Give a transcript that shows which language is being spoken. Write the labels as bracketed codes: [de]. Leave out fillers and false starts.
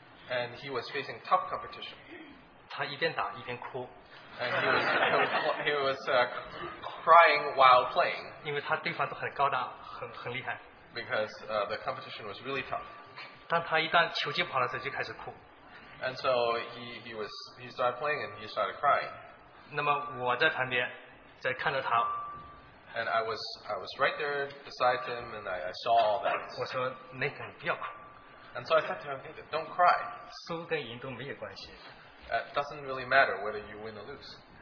[en] And he was facing tough competition. [zh] 他一边打一边哭。 [en] And he was crying while playing. [zh] 因为他对方都很高大，很厉害。 [en] Because the competition was really tough. [zh] 当他一旦球进跑的时候就开始哭。 [en] And so he started playing and he started crying. [zh] 那么我在旁边，在看着他。 [en] And I was right there beside him and I saw all that. [zh] 我说 Nathan 不要哭。 [en] And so I said to him, Nathan, don't cry. [zh] 输跟赢都没有关系。 [en] It doesn't really matter whether you win or lose.